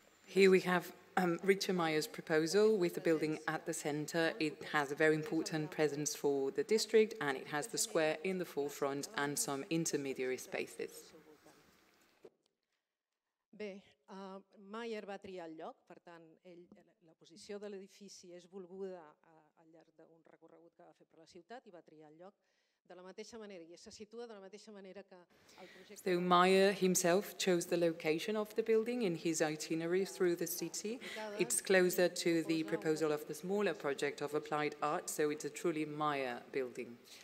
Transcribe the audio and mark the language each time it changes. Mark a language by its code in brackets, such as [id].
[en] Here we have Richard Mayer's proposal with the building at the center. It has a very important presence for the district and it has the square in the forefront and some intermediary spaces. [ca] Bé, Mayer va triar el lloc, per tant, ell, la posició de l'edifici és volguda al llarg d'un recorregut que va fer per la ciutat I va triar el lloc. [en] So Mayer himself chose the location of the building in his itinerary through the city. It's closer to the proposal of the smaller project of applied art, so it's a truly Mayer building.